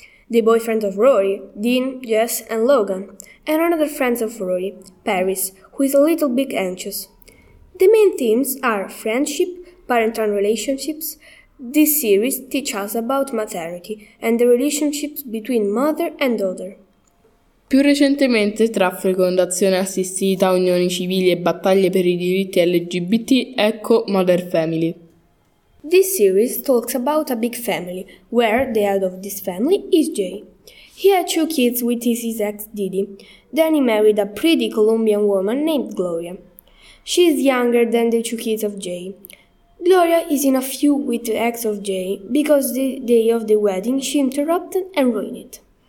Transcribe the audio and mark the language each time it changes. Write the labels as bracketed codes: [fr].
[en] The boyfriend of Rory, Dean, Jess, and Logan, and another friend of Rory, Paris, who is a little bit anxious. The main themes are friendship, parental relationships. This series teaches us about maternity and the relationships between mother and daughter. [it] Più recentemente, tra fecondazione assistita, unioni civili e battaglie per i diritti LGBT, ecco Mother Family. [en] This series talks about a big family, where the head of this family is Jay. He had 2 kids with his ex Didi. Then he married a pretty Colombian woman named Gloria. She is younger than the 2 kids of Jay. Gloria is in a feud with the ex of Jay because the day of the wedding she interrupted and ruined it.